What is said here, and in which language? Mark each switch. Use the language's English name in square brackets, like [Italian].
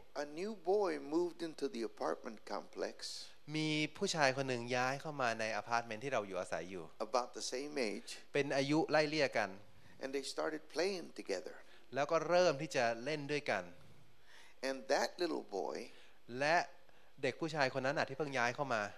[English] A new boy moved into the apartment complex [Thai] มีผู้ชายคนหนึ่งย้ายเข้ามาในอพาร์ตเมนต์ที่เราอยู่อาศัยอยู่ [English] About the same age [Thai] เป็นอายุไล่เลี่ยกัน [English] And they started playing together [Thai] แล้วก็เริ่มที่จะเล่นด้วยกัน [English] And that little boy [Thai] และเด็กผู้ชายคนนั้นน่ะที่เพิ่งย้ายเข้ามา